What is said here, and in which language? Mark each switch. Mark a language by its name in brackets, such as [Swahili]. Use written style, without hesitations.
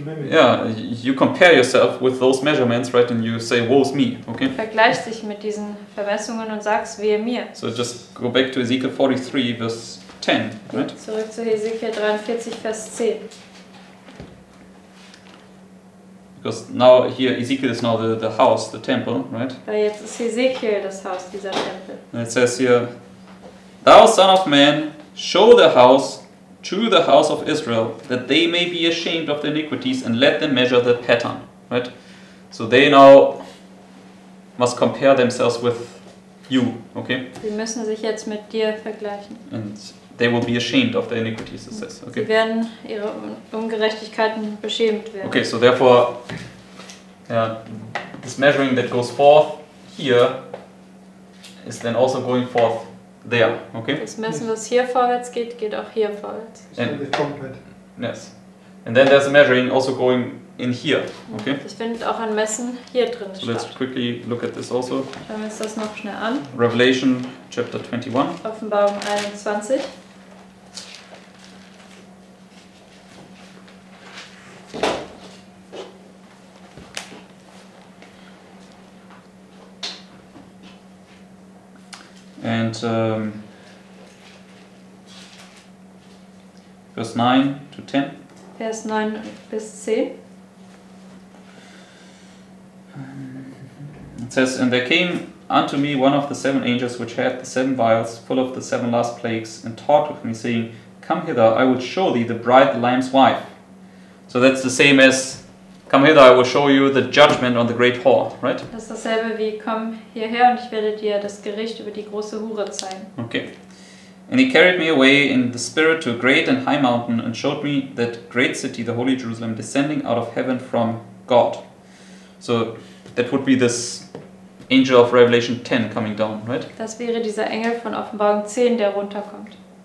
[English] Yeah, you compare yourself with those measurements, right? And you say, woe is me, okay? [German] Vergleich dich mit diesen Vermessungen und sagst, wehe mir. [English] So just go back to Ezekiel 43, verse 10, right? [German] Zurück zu Ezekiel 43, Vers 10. [English] Because now here Ezekiel is now the house, the temple, right? [German] Weil jetzt ist Ezekiel das Haus, dieser Tempel. [English] And it says here, thou son of man, show the house to the house of Israel, that they may be ashamed of their iniquities, and let them measure the pattern, right? So they now must compare themselves with you, okay? [German] Sie müssen sich jetzt mit dir vergleichen. [English] And they will be ashamed of their iniquities, it says. Okay. [German] Sie werden ihre Ungerechtigkeiten beschämt werden. [English] Okay, so therefore, yeah, this measuring that goes forth here is then also going forth there. Okay. [German] Das Messen, was hier vorwärts geht, geht auch hier vorwärts. [English] And the trumpet. Yes. And then there's a measuring also going in here. Okay. [German] Das findet auch ein Messen hier drin [English] statt. Let's quickly look at this also. [German] Schauen wir uns das noch schnell an. [English] Revelation chapter 21. [German] Offenbarung 21. [English] And verse 9 to 10. [German] Vers 9 bis 10. [English] It says, and there came unto me one of the seven angels which had the seven vials full of the seven last plagues, and talked with me, saying, come hither, I will show thee the bride, the Lamb's wife. So that's the same as, come hither, I will show you the judgment on the great whore, right? [German] Das ist dasselbe wie, komm hierher und ich werde dir das Gericht über die große Hure zeigen. [English] Okay. And he carried me away in the spirit to a great and high mountain and showed me that great city, the Holy Jerusalem, descending out of heaven from God. So that would be this angel of Revelation 10 coming down, right? [German] Das wäre dieser Engel von Offenbarung 10, der runterkommt.